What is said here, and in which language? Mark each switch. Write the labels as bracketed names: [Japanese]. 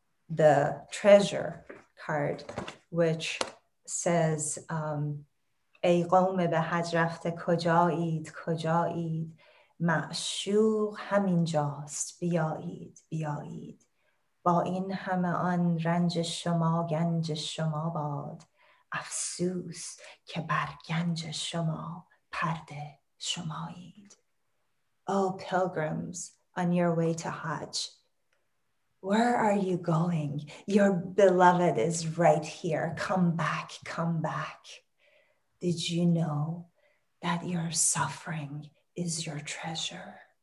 [English] the treasure card, which says, [Persian] ای قوم به حج رفته کجایید کجایید معشوق همین جاست بیایید بیایید با این همه آن رنج شما گنج شما باد افسوس که بر گنج شما پرده شمایید. [English] Oh, pilgrims on your way to Hajj, where are you going? Your beloved is right here. Come back, come back. Did you know that your suffering is your treasure?